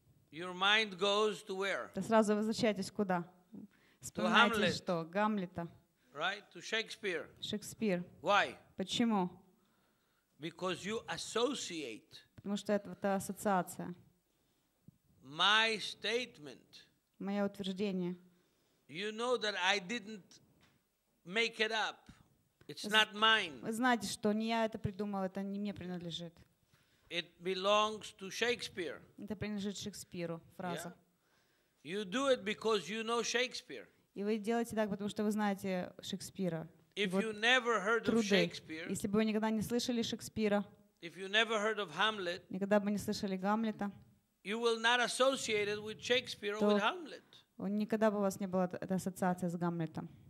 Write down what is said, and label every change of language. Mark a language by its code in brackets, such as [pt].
[en] yeah, [ru] то сразу возвращаетесь куда? Вспоминаете [en] Hamlet, [ru] что? Гамлета. [en] Right to Shakespeare. Shakespeare. Why? [ru] Почему? [en] Because you associate. [ru] Потому что это ассоциация. [en] My statement. [ru] Мое утверждение. [en] You know that I didn't make it up. It's not mine. [ru] Вы знаете, что не я это придумал, это не мне принадлежит. [en] It belongs to Shakespeare. [ru] Это принадлежит Шекспиру, фраза. [en] Yeah? You do it because you know Shakespeare. [ru] И вы делаете так, потому что вы знаете Шекспира. [en] If you never heard of Shakespeare, [ru] если бы вы никогда не слышали Шекспира, [en] if you never heard of Hamlet, [ru] никогда бы не слышали Гамлета, [en] you will not associate it with Shakespeare or with Hamlet. [ru] Никогда бы у вас не было этой ассоциации с Гамлетом.